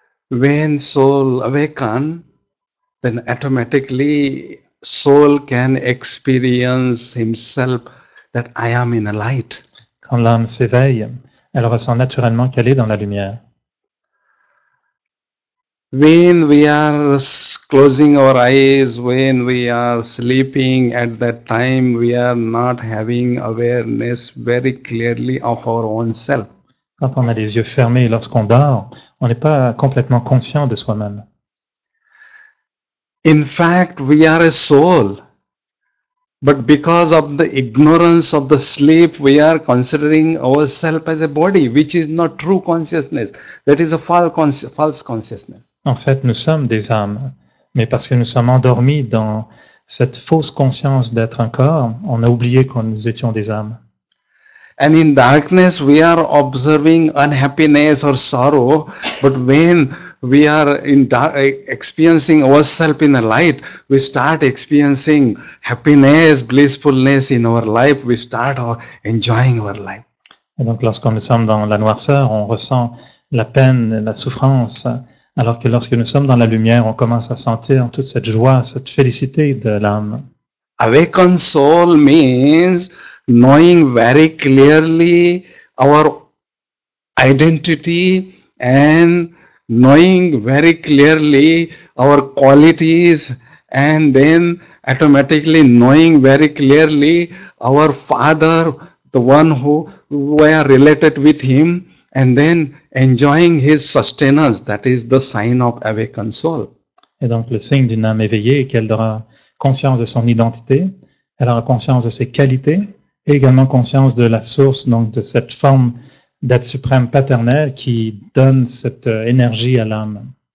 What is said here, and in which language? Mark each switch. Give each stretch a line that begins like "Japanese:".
English: When soul awaken, then automatically soul can experience himself that I am in a light.
French: Quand l'âme s'éveille, elle ressent naturellement qu'elle est dans la lumière.
English: When we are closing our eyes, when we are sleeping, at that time we are not having awareness very clearly of our own self.
French: Quand on a les yeux fermés et lorsqu'on dort, on n'est pas complètement conscient de soi-même.
English: In fact, we are a soul. But because of the ignorance of the sleep, we are considering ourselves as a body, which is not true consciousness. That is a false consciousness.
French: En fait, nous sommes des âmes. Mais parce que nous sommes endormis dans cette fausse conscience d'être un corps, on a oublié que nous étions des âmes.
English: And in darkness, we are observing unhappiness or sorrow. But when we are in experiencing ourselves in the light, we start experiencing happiness, blissfulness in our life. We start enjoying our life.
French: Et donc, lorsque nous sommes dans la noirceur, on ressent la peine, la souffrance. Alors que lorsque nous sommes dans la lumière, on commence à sentir toute cette joie, cette félicité de l'âme.
English: Awakened soul means knowing very clearly our identity and knowing very clearly our qualities and then automatically knowing very clearly our father, the one who we are related with him and then enjoying his sustenance. That is the sign of awakened soul.
French: Et donc le signe d'une âme éveillée est qu'elle aura conscience de son identité, elle aura conscience de ses qualités, et également conscience de la source, donc de cette forme d'être suprême paternelle qui donne cette énergie à l'âme.